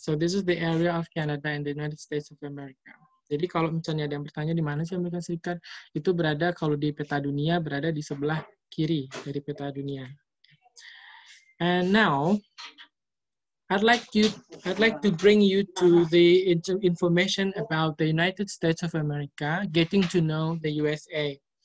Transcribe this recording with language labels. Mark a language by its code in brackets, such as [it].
[en] So this is the area of Canada and the United States of America. [id] Jadi kalau misalnya ada yang bertanya di mana sih Amerika Serikat, itu berada kalau di peta dunia, berada di sebelah kiri dari peta dunia. [en] And now, I'd like to bring you to the information about the United States of America, getting to know the USA.